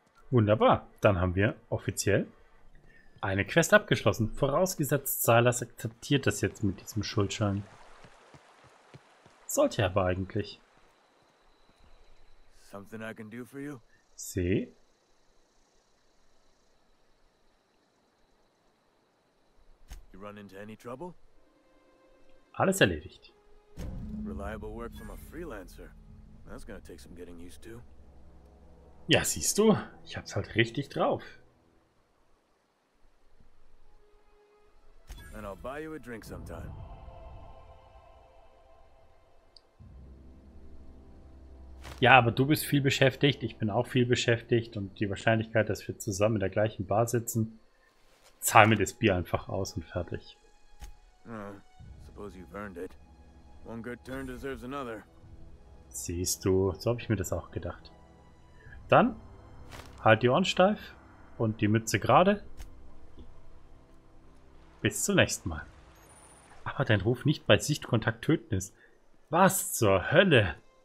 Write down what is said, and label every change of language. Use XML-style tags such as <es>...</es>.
<de>Wunderbar, dann haben wir offiziell eine Quest abgeschlossen. Vorausgesetzt, Silas akzeptiert das jetzt mit diesem Schuldschein. Sollte er aber eigentlich.</de> <en>Something I can do for you? See? Run into any trouble?</en> <de>Alles erledigt.</de> <en>Reliable work from a freelancer. That's gonna take some getting used to.</en> <de>Ja, siehst du, ich hab's halt richtig drauf.</de> <en>And I'll buy you a drink sometime.</en> <de>Ja, aber du bist viel beschäftigt, ich bin auch viel beschäftigt und die Wahrscheinlichkeit, dass wir zusammen in der gleichen Bar sitzen. Zahl mir das Bier einfach aus und fertig.</de> <en>Suppose you've earned it. One good turn deserves another.</en> <de>Siehst du, so habe ich mir das auch gedacht. Dann halt die Ohren steif und die Mütze gerade. Bis zum nächsten Mal. Aber dein Ruf nicht bei Sichtkontakt töten ist. Was zur Hölle?</de>